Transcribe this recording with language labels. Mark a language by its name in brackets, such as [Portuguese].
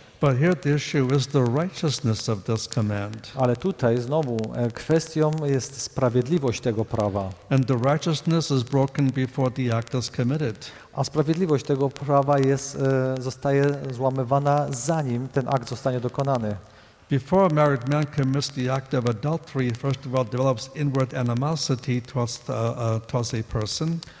[English] But here the issue is the righteousness of this command. [Polish] Ale tutaj znowu kwestią jest sprawiedliwość tego prawa. [English] And the righteousness is broken before the act is committed. [Polish] A sprawiedliwość tego prawa zostaje złamywana zanim ten akt zostanie dokonany. [English] Before a married man commits the act of adultery, first of all develops inward animosity towards a person.